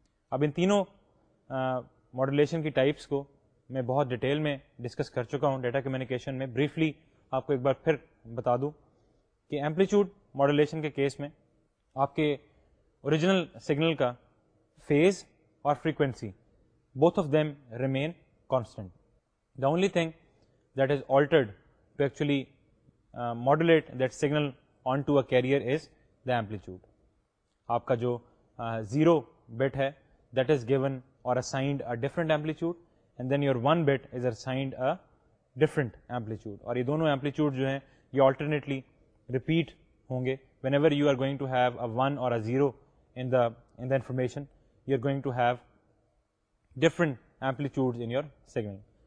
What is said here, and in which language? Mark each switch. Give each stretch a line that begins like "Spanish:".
Urdu: اب ان تینوں ماڈولیشن کی ٹائپس کو میں بہت ڈیٹیل میں ڈسکس کر چکا ہوں ڈیٹا کمیونیکیشن میں. بریفلی آپ کو ایک بار پھر بتا دوں کہ ایمپلیٹیوڈ ماڈولیشن کے کیس میں آپ کے اوریجنل سگنل کا فیز اور frequency
English: Both of them remain constant. The only thing that is altered to actually modulate that signal on to a carrier is the amplitude.
Urdu: آپ کا جو زیرو بٹ ہے
English: that is given or assigned a different amplitude, and then your one bit is assigned a different amplitude,
Urdu: اور یہ دونوں amplitude جو ہیں یہ آلٹرنیٹلی ریپیٹ ہوں گے.
English: Whenever you are going to have a one or a zero in the information, you are going to have different amplitudes in your signal.